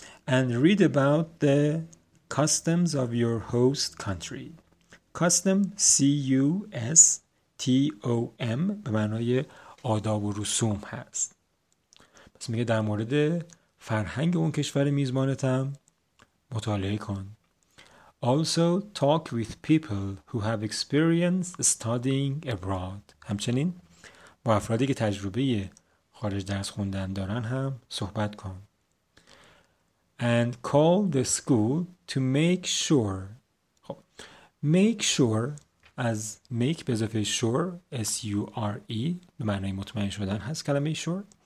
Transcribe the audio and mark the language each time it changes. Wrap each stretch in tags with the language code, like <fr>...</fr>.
<en>And read about the customs of your host country.</en> <fa>Custom, C-U-S-T-O-M به معنای آداب و رسوم هست. پس میگه در مورد فرهنگ اون کشور میزبانتم مطالعه کن.</fa> <en>Also talk with people who have experienced studying abroad.</en> <fa>همچنین با افرادی که تجربه خارج درس خوندن دارن هم صحبت کن.</fa> <en>And call the school to make sure. خب.</en> <fa>Make sure از make به اضافه sure S-U-R-E به معنی مطمئن شدن هست کلمه sure.</fa>